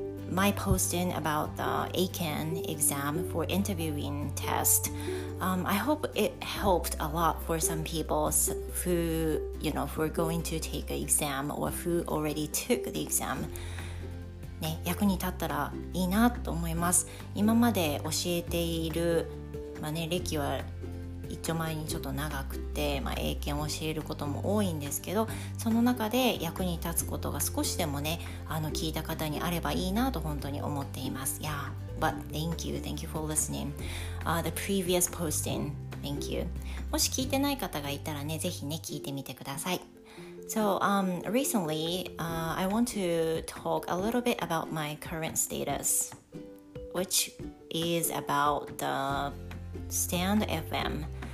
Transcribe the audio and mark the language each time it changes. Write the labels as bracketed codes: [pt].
[en] My posting about the AKEN exam for interviewing test、I hope it helped a lot for some people who, you know, who are going to take an exam or who already took the exam. [ja] ね、役に立ったらいいなと思います。今まで教えている、まあね、歴は一丁前にちょっと長くて、まあ、英検を教えることも多いんですけど、その中で役に立つことが少しでもね、聞いた方にあればいいなと本当に思っています。 [en] Yeah, but thank you for listening、the previous posting, thank you. [ja] もし聞いてない方がいたらね、ぜひね聞いてみてください。 [en] So, recently, I want to talk a little bit about my current status, which is about the Stand FM.